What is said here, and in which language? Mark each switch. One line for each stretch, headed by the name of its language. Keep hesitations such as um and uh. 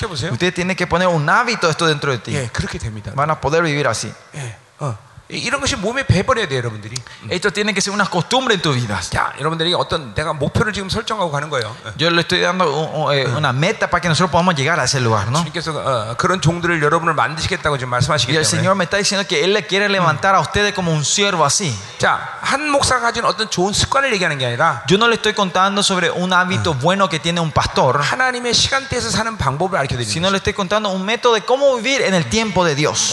Spanish: Usted tiene que poner un hábito esto dentro de ti. Van a poder vivir así. Sí. Uh.
Korean: 이런 것이 몸에 배버려야 돼요, 여러분들이.
Spanish: Esto tiene que ser una costumbre en tu vida.
Korean: 자, 여러분들이 어떤 내가 목표를 지금 설정하고 가는 거예요.
Spanish: Yo le estoy dando una meta para que nosotros podamos llegar a ese lugar, ¿no?
Korean: 주님께서 어, 그런 종들을 여러분을 만드시겠다고 지금 말씀하시기 때문에.
Spanish: El Señor me está diciendo que él le quiere levantar a ustedes como un siervo así.
Korean: 자, 한 목사가 가진 어떤 좋은 습관을 얘기하는 게 아니라.
Spanish: Yo no le estoy contando sobre un hábito bueno que tiene un pastor.
Korean: 하나님의 시간대에서 사는 방법을 알려드리는.
Spanish: Sino le estoy contando un método de cómo vivir en el tiempo de Dios.